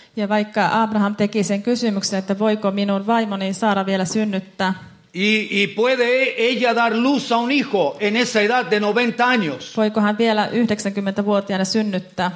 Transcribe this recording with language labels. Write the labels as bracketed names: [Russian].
[Finnish] Ja vaikka Abraham teki sen kysymyksen, että voiko minun vaimoni Saara vielä synnyttää. [Spanish] Y puede ella dar luz a un hijo en esa edad de 90 años. [Finnish] Voiko hän vielä 90-vuotiaana synnyttää.